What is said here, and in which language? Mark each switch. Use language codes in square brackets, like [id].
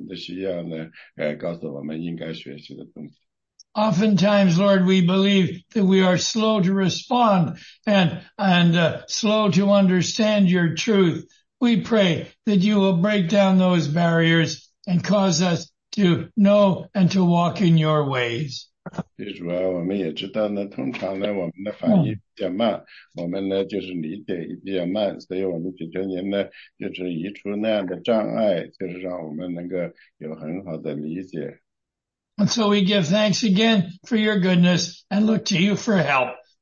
[zh] 因为我们今天呢，下午呢，来到这里呢，是要学习更多的关于您的事情。我们也祷告，就是您按照我们的需要呢，告诉我们应该学习的东西。 [en] Oftentimes, Lord, we believe that we are slow to respond and slow to understand your truth. We pray that you will break down those barriers and cause us to know and to walk in your ways. [zh] 主要我们也知道呢，通常呢，我们的反应比较慢，我们呢就是理解比较慢，所以我们祈求您呢，就是移除那样的障碍，就是让我们能够有很好的理解。 [en] And so we give thanks again for your goodness and look to you for help.